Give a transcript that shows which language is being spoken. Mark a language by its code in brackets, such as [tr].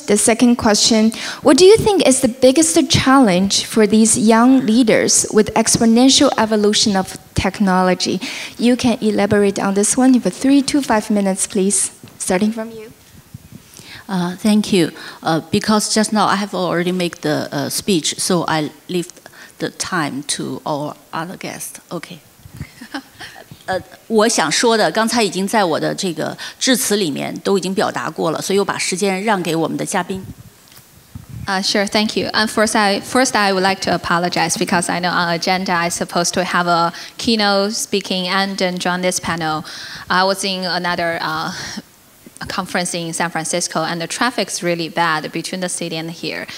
[en] The second question, what do you think is the biggest challenge for these young leaders with exponential evolution of technology? You can elaborate on this one for 3 to 5 minutes, please, starting from you. Thank you. Because just now I have already made the speech, so I leave the time to all other guests. Okay. [zh] 我想说的刚才已经在我的这个致辞里面都已经表达过了，所以我把时间让给我们的嘉宾。 [en] Sure, thank you. And first I would like to apologize because I know on agenda I supposed to have a keynote speaking and join this panel. I was in another conference in San Francisco and the traffic's really bad between the city and here.